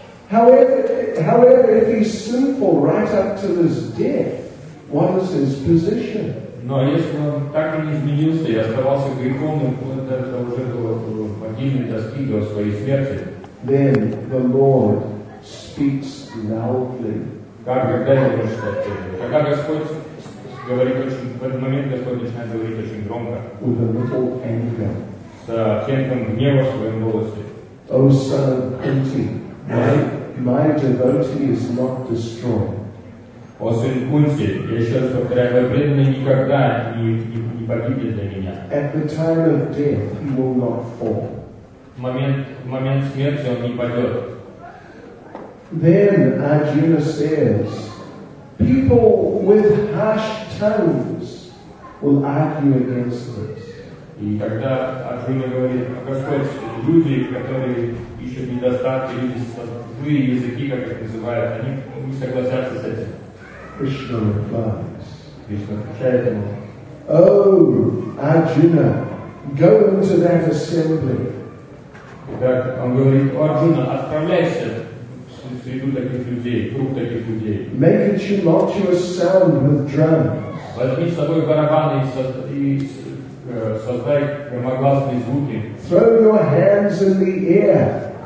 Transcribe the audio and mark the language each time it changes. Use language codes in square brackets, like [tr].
[en] However, if he's sinful right up to his death, what is his position? [ru] Но если он так и не изменился и оставался греховным, он даже уже был погибнет, достиг до своей смерти. [en] Then the Lord speaks loudly. [ru] Когда Господь говорит очень, в этот момент Господь начинает говорить очень громко. [en] With a little anger. [ru] С оттенком гнева в своем голосе. [en] O son of Kunti, my devotee is not destroyed. [ru] О сын Кунти, я еще раз повторяю, мой преданный никогда не погибнет для меня. [en] At the time of death, he will not fall. [ru] В момент смерти он не падет. [en] Then Arjuna says, people with harsh tongues will argue against this. [ru] И тогда Арджуна говорит, Господь, люди, которые ищут недостатки, люди со злые языки, как их называют, они не согласятся с этим. [en] Krishna replies, Krishna Chaitanya, oh Arjuna, go into that assembly. [ru] Arjuna, отправляйся среди таких людей, круг таких людей. [en] Make a tumultuous sound with drums. [ru] Возьми с собой барабаны и создай громогласные звуки. [en] Throw your hands in the air.